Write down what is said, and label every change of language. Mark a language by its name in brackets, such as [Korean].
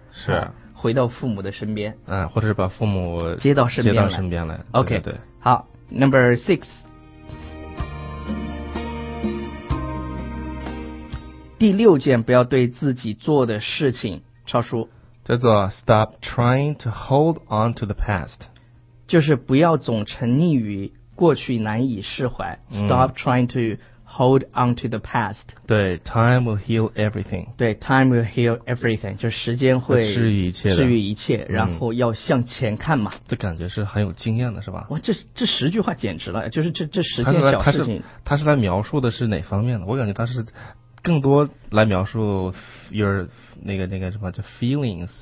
[Chinese] 是，回到父母的身边，或者是把父母接到身边来。 OK，对对对，好 [English] Number six， [Chinese] 第六件不要对自己做的事情，超叔， [English] 叫做 Stop trying to hold on to the past， [Chinese] 就是不要总沉溺于过去难以释怀。 [English] Stop trying to hold on to the past. 对 ，time will heal everything. 对 ，time will heal everything. [Chinese] 就时间会治愈一切，治愈一切，然后要向前看嘛。这感觉是很有经验的，是吧？哇，这十句话简直了，就是这十件小事情。他是来描述的是哪方面的？我感觉他是更多来描述 your 那个什么叫 feelings，